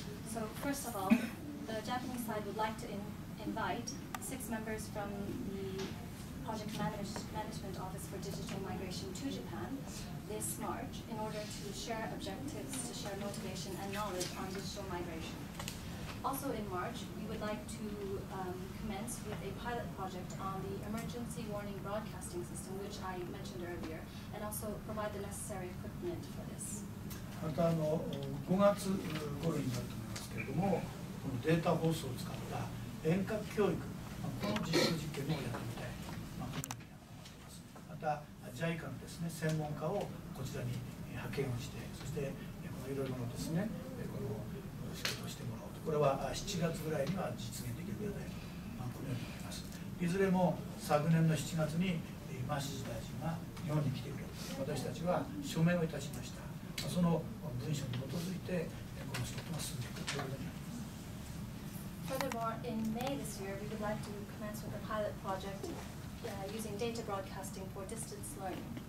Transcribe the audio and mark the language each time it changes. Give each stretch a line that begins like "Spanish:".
English: So first of all, the Japanese side would like to invite 6 members from the Project Management Office for Digital Migration to Japan this March in order to share objectives, to share motivation and knowledge on digital migration. Also in March, we would like to commence with a pilot project on the emergency warning broadcasting system, which I mentioned earlier, and also provide the necessary equipment for this.
Japanese: また5月頃になると思いますけれども、このデータ放送を使った遠隔教育、この実証実験もやってみたい、このように思っています。また JICA のですね、専門家をこちらに派遣をして、そしていろいろのですね、この仕事をしてもらおうと、これは7月ぐらいには実現できるぐらいだと、まあ、このように思います。いずれも昨年の7月に今志士大臣が日本に来てくれて、私たちは署名をいたしました。その文書に基づいてこの仕事が進んでいくということになります。
English: Furthermore, in May this year, we would like to commence with a pilot project using data broadcasting for distance learning.